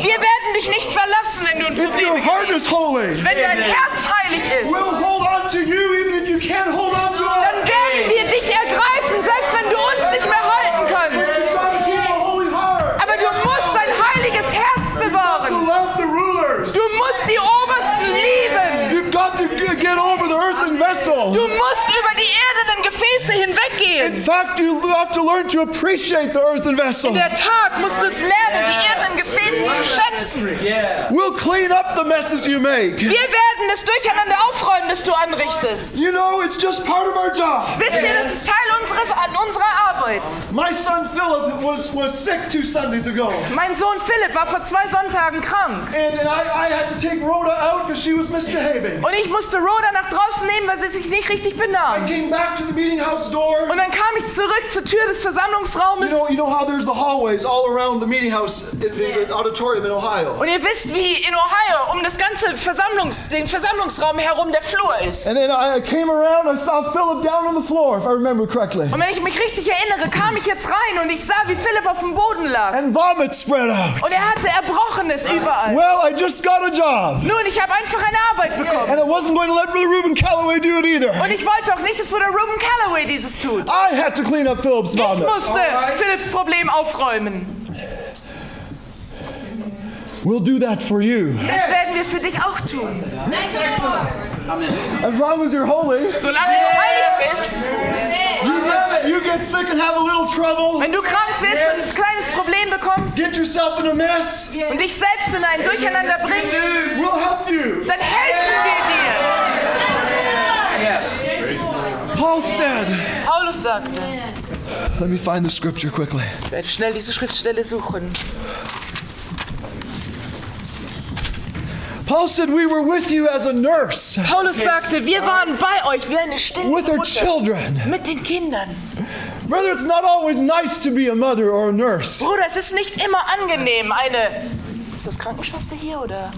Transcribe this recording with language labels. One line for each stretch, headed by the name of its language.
German: Wir werden dich nicht verlassen, wenn du in Probleme
English: bist. Your heart is holy.
German: Wenn dein Herz heilig ist.
English: We'll hold on to you even if you can't hold on to us.
German: Dann werden wir dich ergreifen, selbst wenn du uns nicht mehr halten kannst. Aber du musst dein heiliges Herz bewahren.
English: You've got to love the rulers.
German: Du musst die Obersten lieben.
English: You've got to get over the earthen vessel.
German: Du musst über die erdenen Gefäße hinweggehen.
English: In fact, you have to learn to appreciate the earthen vessel.
German: In der Tat musst du es lernen, die erdenen Gefäße zu schätzen.
English: We'll clean up the messes you make.
German: Wir werden das Durcheinander aufräumen, das du anrichtest.
English: You know, it's just part of our job.
German: Wisst ihr, das ist Teil unserer Arbeit.
English: My son Philip was sick 2 Sundays ago.
German: Mein Sohn Philip war vor 2 Sonntagen krank.
English: And I had to take Rhoda out because she was misbehaving.
German: Und ich musste Rhoda nach draußen nehmen, weil sie sich nicht richtig benahm.
English: I came back to the meeting house door.
German: Und dann kam ich zurück zur Tür des Versammlungsraumes.
English: You know how there's the hallways all around the meeting house in the auditorium in Ohio.
German: Und ihr wisst, wie in Ohio um das ganze den Versammlungsraum herum der Flur ist.
English: And then I came around, I saw Philip down on the floor, if I remember correctly.
German: Und wenn ich mich richtig erinnere, kam ich jetzt rein und ich sah, wie Philip auf dem Boden lag.
English: And vomit spread out.
German: Und hatte Erbrochenes überall.
English: Well, I just got a job.
German: Nun, ich habe einfach eine Arbeit bekommen.
English: And I wasn't going to let Brother Reuben Calloway do it either.
German: Und ich wollte auch nicht, dass Bruder Reuben Calloway dieses tut.
English: I had to clean up Philip's vomit.
German: Ich musste Philips Problem aufräumen.
English: We'll do that for you.
German: Das werden wir für dich auch tun.
English: As long as you're holy.
German: Solange du heilig bist.
English: You love it. You get sick and have a little trouble.
German: Wenn du krank bist und ein kleines Problem bekommst.
English: Get yourself in a mess.
German: Und dich selbst in ein Durcheinander bringst.
English: We'll help you.
German: Dann helfen wir dir.
English: Yes. Paul said.
German: Paulus sagte.
English: Let me find the scripture quickly.
German: Ich werde schnell diese Schriftstelle suchen.
English: Paul said, "We were with you as a nurse."
German: Paulus sagte, wir waren bei euch wie eine stille Mutter.
English: With her children.
German: Mit den Kindern.
English: Brother, it's not always nice to be a mother or a nurse.
German: Bruder, es ist nicht immer angenehm, ist das Krankenschwester hier oder?